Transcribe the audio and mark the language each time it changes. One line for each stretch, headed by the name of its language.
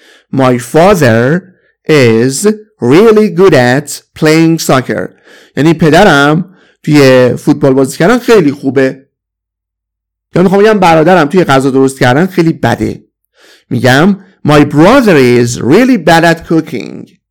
English: My father is really good at playing soccer.
Persian: یعنی پدرم توی فوتبال بازی کردن خیلی خوبه. یا میخوام بگم برادرم توی غذا درست کردن خیلی بده. میگم
English: My brother is really bad at cooking.